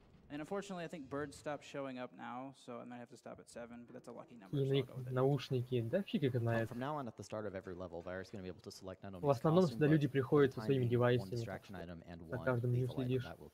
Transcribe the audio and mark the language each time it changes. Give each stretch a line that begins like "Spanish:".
English: And unfortunately, I think birds stopped showing up now, so I might have to stop at 7, but that's a lucky number.
Russian: И наушники, да, фиг их знает.
English: From now on, at the start of every level, Vyrek's going to be able to select not only.
Russian: В основном сюда люди приходят со своими девайсами. На каждом не следишь.